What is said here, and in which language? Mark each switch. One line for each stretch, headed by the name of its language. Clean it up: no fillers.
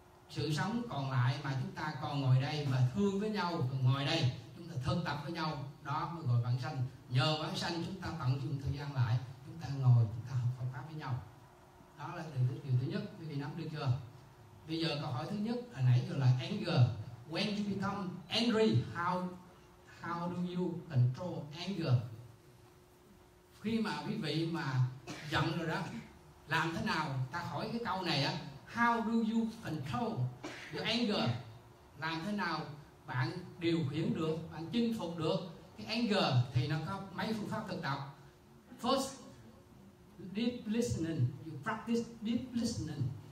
Vietnamese: Sự sống còn lại mà chúng ta còn ngồi đây và thương với nhau, còn ngồi đây chúng ta thân tập với nhau, đó mới gọi vãng sanh. Nhờ vãng sanh chúng ta tận dụng thời gian lại, chúng ta ngồi, chúng ta học Phật pháp với nhau. Đó là điều thứ nhất, quý vị nắm được chưa? Bây giờ câu hỏi thứ nhất là nãy giờ là anger.
English: When you become angry, how do you control anger?
Vietnamese: Khi mà quý vị mà giận rồi đó, làm thế nào? Ta hỏi cái câu này á,
English: how do you control your anger?
Vietnamese: Làm thế nào bạn điều khiển được, bạn chinh phục được cái anger? Thì nó có mấy phương pháp thực tập.
English: First, deep listening, you practice deep listening.